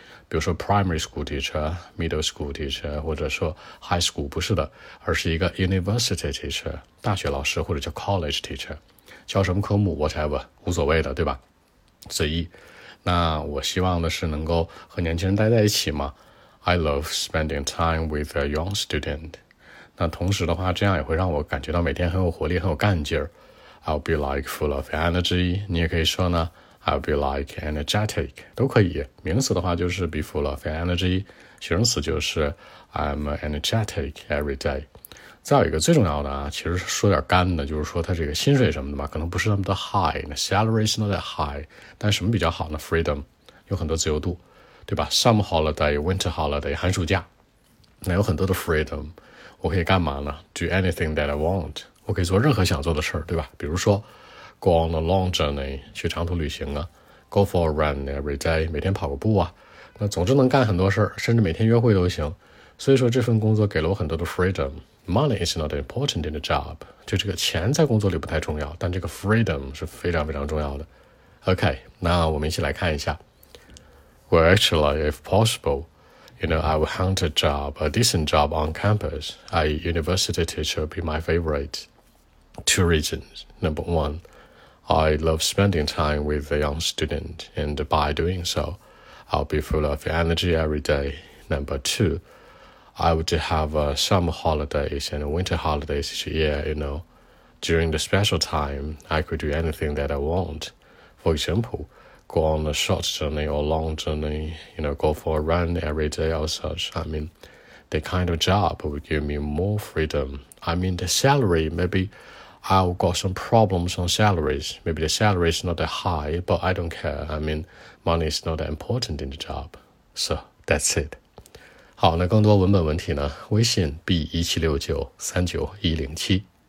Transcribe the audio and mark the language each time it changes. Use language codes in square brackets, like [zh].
[zh] 比如说 primary school teacher， middle school teacher， 或者说 high school， 不是的，而是一个 university teacher， 大学老师，或者叫 college teacher， 教什么科目 whatever， 无所谓的，对吧？随意。那我希望的是能够和年轻人待在一起嘛。 [en] I love spending time with a young student. [zh] 那同时的话，这样也会让我感觉到每天很有活力，很有干劲儿。 [en] I'll be like full of energy. [zh] 你也可以说呢 [en] ，I'll be like energetic， [zh] 都可以。名词的话就是 be full of energy， 形容词就是 [en] I'm energetic every day。 [zh] 再有一个最重要的啊，其实说点干的，就是说他这个薪水什么的嘛，可能不是那么的 high， 那 [en] salary is not that high。 [zh] 但什么比较好呢 ？Freedom， 有很多自由度。对吧 ？ [en] Summer holiday, winter holiday, [zh] 寒暑假，那有很多的 freedom， 我可以干嘛呢 ？ [en] Do anything that I want， [zh] 我可以做任何想做的事儿，对吧？比如说 ， [en] go on a long journey， [zh] 去长途旅行啊 ， [en] go for a run every day， [zh] 每天跑个步啊，那总之能干很多事儿，甚至每天约会都行。所以说这份工作给了我很多的 freedom。 [en] Money is not important in the job， [zh] 就这个钱在工作里不太重要，但这个 freedom 是非常非常重要的。 OK， 那我们一起来看一下。 [en] Well, actually, if possible, you know, I would hunt a job, a decent job on campus. A university teacher would be my favorite. Two reasons. Number one, I love spending time with a young student, and by doing so, I'll be full of energy every day. Number two, I would have summer holidays and winter holidays each year, you know. During the special time, I could do anything that I want. For example,go on a short journey or long journey, you know, go for a run every day or such. I mean, the kind of job would give me more freedom. I mean, the salary, maybe I've got some problems on salaries. Maybe the salary is not that high, but I don't care. I mean, money is not that important in the job. So, that's it. [zh] 好，那更多文本问题呢，微信 B176939107。